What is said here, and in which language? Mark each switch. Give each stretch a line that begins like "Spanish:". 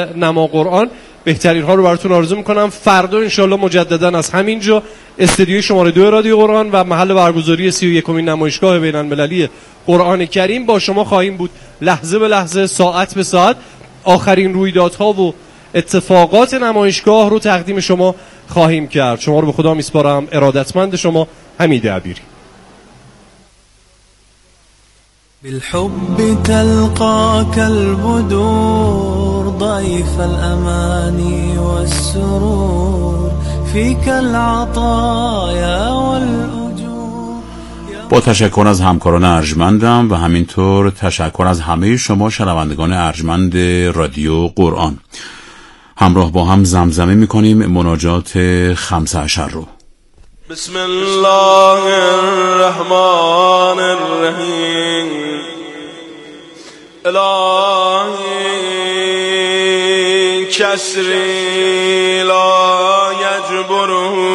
Persian: نما قرآن بهترین ها رو براتون آرزو میکنم فردا انشالله مجدداً از همین جا استدیوی شماره 2 رادیو قرآن و محل برگزاری 31مین نمایشگاه بین‌المللی قرآن کریم با شما خواهیم بود لحظه به لحظه ساعت به ساعت آخرین رویدادها و اتفاقات نمایشگاه رو تقدیم شما خواهیم کرد شما رو به خدا میسپارم ارادتمند شما حمید عبیری
Arabic: بالحب تلقاك البدور ضيف الأمان والسرور فيك العطايا والأجور
Persian: با تشکر از همکاران ارجمندم و همینطور تشکر از همه شما شنوندگان ارجمند رادیو قرآن همراه با هم زمزمه میکنیم مناجات خمسه عشر رو
Arabic: بسم الله الرحمن الرحیم الهی کسری لا یجبره